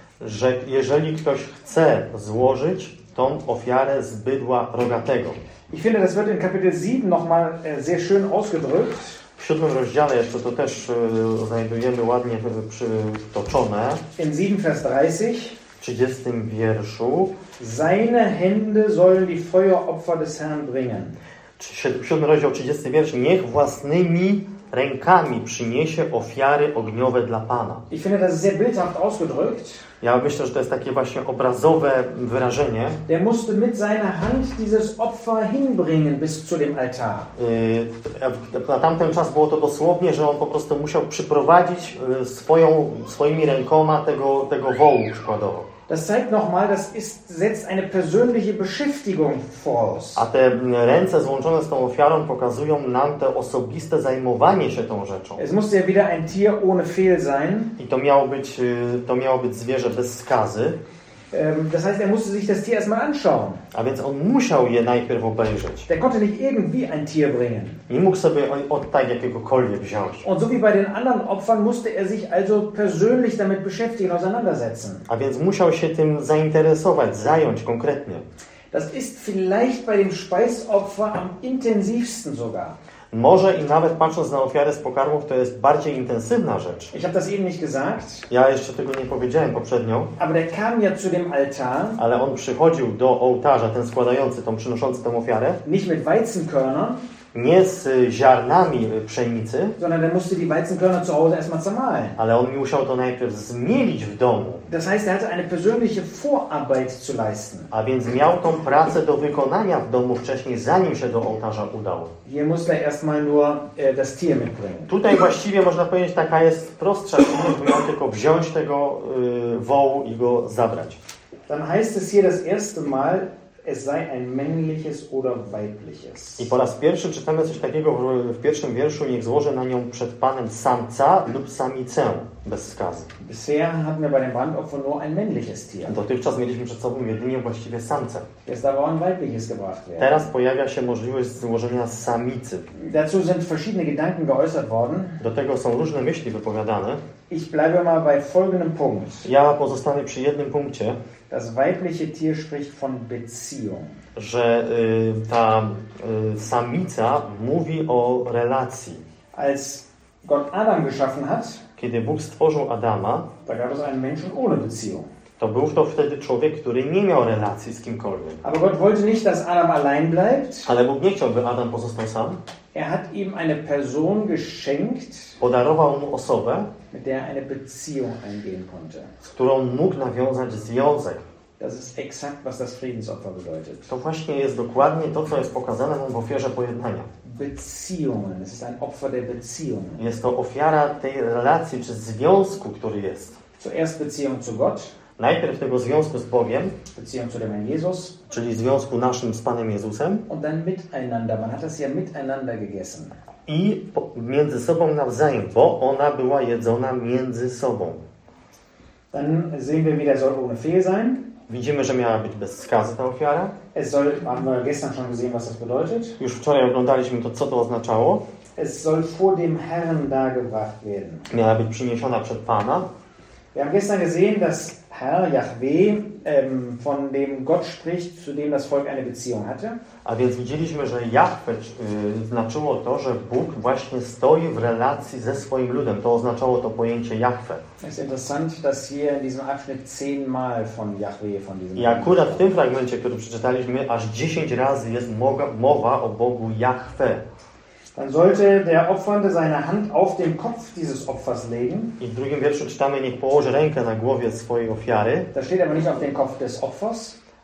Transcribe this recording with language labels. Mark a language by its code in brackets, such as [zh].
[pl] Że jeżeli ktoś chce złożyć tą ofiarę z bydła rogatego. [de] Ich finde, das wird in Kapitel 7 noch mal sehr schön ausgedrückt. [pl] W siódmym rozdziale jeszcze to też znajdujemy ładnie przytoczone. [de] In 7 Vers 30. [pl] W 30 wierszu. [de] Seine Hände sollen die Feueropfer des Herrn bringen. [pl] Siódmy rozdział, 30 wiersz. Niech własnymi rękami przyniesie ofiary ogniowe dla Pana. [de] Ich finde, das ist sehr bildhaft ausgedrückt. [pl] Ja myślę, że to jest takie właśnie obrazowe wyrażenie. [de] Der musste mit seiner Hand dieses Opfer hinbringen bis zu dem Altar. [pl] Na tamten czas było to dosłownie, że on po prostu musiał przyprowadzić swoimi rękoma tego wołu przykładowo. [de] Das zeigt nochmal, das setzt eine persönliche Beschäftigung voraus. [pl] A te ręce złączone z tą ofiarą pokazują nam te osobiste zajmowanie się tą rzeczą. [de] Es musste ja wieder ein Tier ohne Fehl sein. [pl] I to miało być zwierzę bez skazy. [de] Das heißt, er musste sich das Tier erstmal anschauen. [pl] A więc on musiał je najpierw obejrzeć. [de] Der konnte nicht irgendwie ein Tier bringen. [pl] Nie mógł sobie od tak jakiegokolwiek wziąć. [de] Und so wie bei den anderen Opfern musste er sich also persönlich damit beschäftigen, auseinandersetzen. [pl] A więc musiał się tym zainteresować, zająć konkretnie. [de] Das ist vielleicht bei dem Speisopfer am intensivsten sogar. [pl] Może i nawet patrząc na ofiarę z pokarmów, to jest bardziej intensywna rzecz. [de] Ich habe das eben nicht gesagt. [pl] Ja jeszcze tego nie powiedziałem poprzednio. [de] Aber der kam ja zu dem Altar. [pl] Ale on przychodził do ołtarza, ten składający, tą przynoszący tą ofiarę. [de] Nicht mit Weizenkörner. [pl] Nie z ziarnami pszenicy. [de] Sondern er musste die Weizenkörner zu Hause erstmal zermahlen. [pl] Ale on musiał to najpierw zmielić w domu. [de] Das heißt, er hatte eine persönliche Vorarbeit zu leisten. [pl] A więc miał tą pracę do wykonania w domu wcześniej, zanim się do ołtarza udał. [de] Hier musste er erstmal nur das Tier mitbringen. [pl] Tutaj właściwie można powiedzieć, taka jest prostsza linia, miał tylko wziąć tego wołu i go zabrać. [de] Dann heißt es hier das erste Mal, es sei ein männliches oder weibliches. [pl] I po raz pierwszy czytamy coś takiego w pierwszym wierszu, niech złoży na nią przed Panem samca lub samicę bez skazy. [de] Bisher hatten wir bei dem Brandopfer nur ein männliches Tier. [pl] Dotychczas mieliśmy przed sobą jedynie właściwie samce. [de] Jetzt aber ein weibliches gebracht werden. [pl] Teraz pojawia się możliwość złożenia samicy. [de] Dazu sind verschiedene Gedanken geäußert worden. [pl] Do tego są różne myśli wypowiadane. [de] Ich bleibe mal bei folgendem Punkt. [pl] Ja pozostanę przy jednym punkcie. [de] Das weibliche Tier spricht von Beziehung. [pl] Że ta samica mówi o relacji. [de] Als Gott Adam geschaffen hat, [pl] kiedy Bóg stworzył Adama, [de] da gab es einen Menschen ohne Beziehung. [pl] To był to wtedy człowiek, który nie miał relacji z kimkolwiek. [de] Aber Gott wollte nicht, dass Adam allein bleibt. [pl] Ale Bóg nie chciał, by Adam pozostał sam. [de] Er hat ihm eine Person geschenkt, [pl] podarował mu osobę, [de] mit der er eine Beziehung eingehen konnte. [pl] Z którą mógł nawiązać związek. [de] Das ist exakt, was das Friedensopfer bedeutet. [pl] To właśnie jest dokładnie to, co jest pokazane nam w ofierze pojednania. [de] Beziehungen. Es ist ein Opfer der Beziehungen. [pl] Jest to ofiara tej relacji, czy związku, który jest. [de] Zuerst Beziehung zu Gott. [pl] Najpierw tego związku z Bogiem, [de] Beziehung zu dem Herrn Jesus, [pl] czyli związku naszym z Panem Jezusem, [de] und dann miteinander. Man hat das ja miteinander gegessen. [pl] I między sobą nawzajem, bo ona była jedzona między sobą. [de] Dann sehen wir, wie der soll ohne Fehl sein. [pl] Widzimy, że miała być bez skazy ta ofiara. [de] Es soll, haben wir gestern schon gesehen, was das bedeutet. [pl] Już wczoraj oglądaliśmy to, co to oznaczało. [de] Es soll vor dem Herrn dargebracht werden. [pl] Miała być przyniesiona przed Pana. [de] Wir haben gestern gesehen, dass Herr Yahweh von dem Gott spricht, zu dem das Volk eine Beziehung hatte. [pl] A więc widzieliśmy, że Yahweh znaczyło to, że Bóg właśnie stoi w relacji ze swoim ludem. To oznaczało to pojęcie Yahweh. [de] Es ist interessant, dass hier in diesem Abschnitt 10 Mal von Yahweh von diesem. [pl] I akurat w tym fragmencie, który przeczytaliśmy, aż 10 razy jest mowa o Bogu Yahweh. [de] Dann sollte der Opfernde seine Hand auf den Kopf dieses Opfers legen. [pl] I w drugim wierszu czytamy, niech położy rękę na głowie swojej ofiary. [de] Da steht aber nicht auf den Kopf des Opfers.